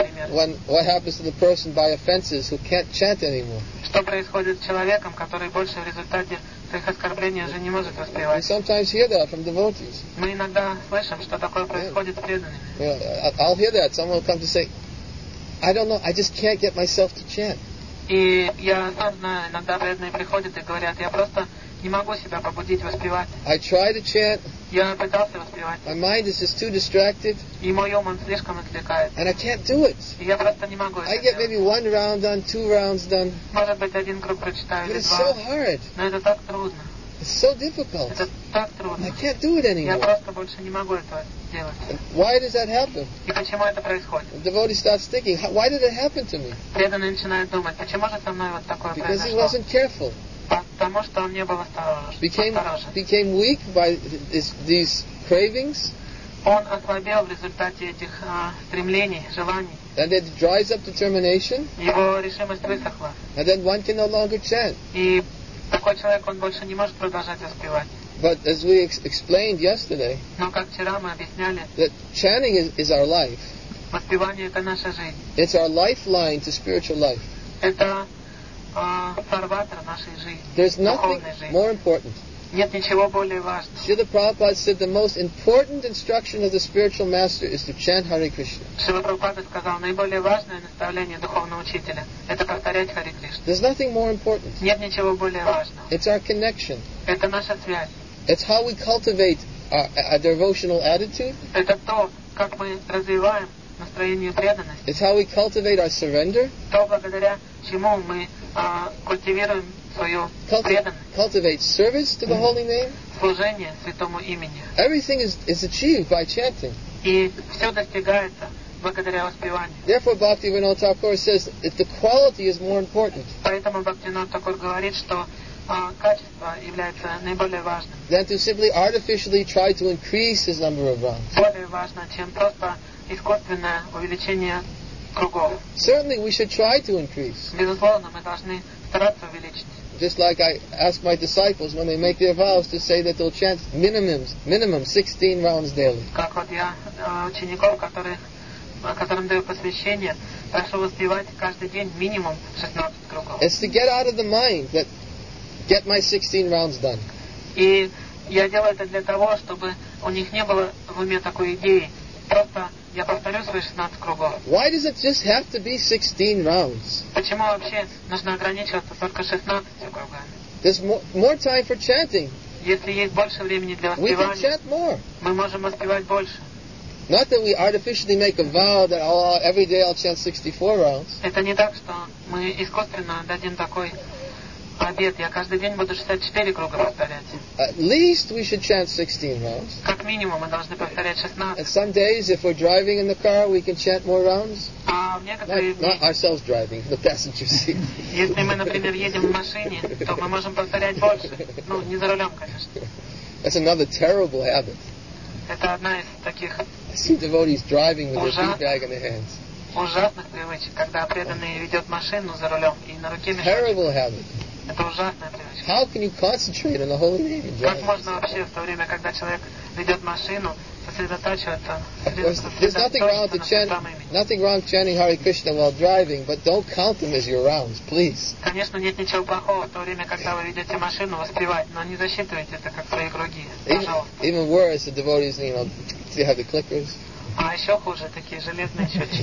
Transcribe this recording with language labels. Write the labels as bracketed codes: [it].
[en] When what happens to the person by offenses who can't chant anymore? We sometimes hear that from devotees. Yeah. I'll hear that. Someone will come to say, I don't know, I just can't get myself to chant. [ru] И я сам знаю, иногда преданные приходят и говорят, я просто не могу себя побудить воспевать. [en] I try to chant. [ru] Я пытался воспевать. [en] My mind is just too distracted. [ru] И мой ум слишком отвлекает. [en] And I can't do it. [ru] И я просто не могу. [en] I get maybe one round done, two rounds done. [ru] Может быть, один круг прочитаю, [en] but [ru] или [en] it's [ru] два. [en] So hard. [ru] Но это так трудно. [en] It's so difficult. [ru] Это так трудно. [en] I can't do it anymore. [ru] Я просто больше не могу этого делать. [en] And why does that happen? [ru] И почему это происходит? [en] The devotee starts thinking, why did it happen to me? [ru] Преданный начинает думать, почему же со мной вот такое произошло? [en] Because he wasn't careful. [ru] Потому что он не был осторожен. [en] Became weak by these cravings. [ru] Он ослабел в результате этих стремлений, желаний. [en] And it dries up determination. [ru] Его решимость высохла. [en] And then one can no longer chant. [ru] Такой человек, он больше не может продолжать воспевать. [en] But as we explained yesterday, [ru] но как вчера мы объясняли, [en] that chanting is our life. [ru] Воспевание — это наша жизнь. [en] It's our lifeline to spiritual life. [ru] Это фарватер нашей жизни. [en] There's nothing [ru] жизни. [en] More important. [ru] Нет ничего более важного. [en] Srila Prabhupada said the most important instruction of the spiritual master is to chant Hare Krishna. [ru] Srila Prabhupada сказал, наиболее важное наставление духовного учителя — это повторять Hare Krishna. [en] There's nothing more important. [ru] Нет ничего более важного. [en] It's our connection. [ru] Это наша связь. [en] It's how we cultivate a devotional attitude. [ru] Это то, как мы развиваем настроение преданности. [en] It's how we cultivate our surrender. [ru] То, благодаря чему мы культивируем [en] Cultivate service to the holy name. [ru] Служение святому имени. [en] Everything is achieved by chanting. [ru] И все достигается благодаря воспеванию. [en] Therefore, Bhaktivinoda Thakur says that the quality is more important. [ru] Поэтому Бхактивинода Такур говорит, что качество является наиболее важным. [en] Than to simply artificially try to increase his number of rounds. [ru] Более важно, чем просто искусственное увеличение кругов. [en] Certainly, we should try to increase. [ru] Безусловно, мы должны стараться увеличить. [en] Just like I ask my disciples when they make their vows to say that they'll chant minimum 16 rounds daily. [ru] Как вот я учеников, которым даю посвящение, прошу воспевать каждый день минимум 16 кругов. [en] It's to get out of the mind that get my 16 rounds done. [ru] И я делаю это для того, чтобы у них не было в уме такой идеи, просто Я повторю свои 16 кругов. [en] Why does it just have to be 16 rounds? [ru] Почему вообще нужно ограничиваться только 16 кругами? [en] There's more time for chanting. [ru] Если есть больше времени для воспевания, [en] we can chant more. [ru] Мы можем воспевать больше. [en] Not that we artificially make a vow that every day I'll chant 64 rounds. [ru] Это не так, что мы искусственно дадим такой обет. Я каждый день буду 64 круга повторять. [en] At least we should chant 16 rounds. [ru] Как минимум мы должны повторять 16. [en] And some days, if we're driving in the car, we can chant more rounds. [ru] А в некоторые [en] not ourselves driving, the passenger seat. [ru] Если мы, например, едем в машине, то мы можем повторять больше. Ну, не за рулем, конечно. [en] That's another terrible habit. [ru] Это одна из таких. [en] I see devotees driving with their beanbag in their hands. [ru] Ужасных привычек, когда преданный ведет машину за рулем и на руке мешает. [en] Terrible habit. [ru] Это ужасная привычка. [en] How can you concentrate on the holy name? [ru] Как можно вообще в то время, когда человек ведет машину, сосредотачиваться? [en] There's nothing wrong to chant. Nothing wrong chanting Hare Krishna while driving, but don't count them as your rounds, please. [ru] Конечно, нет ничего плохого в то время, когда вы ведете машину, воспевать, но не засчитывайте это как свои круги. Пожалуйста. [en] Even worse, the devotees, you know, they have the clickers. [ru] А еще хуже, такие железные счетчики.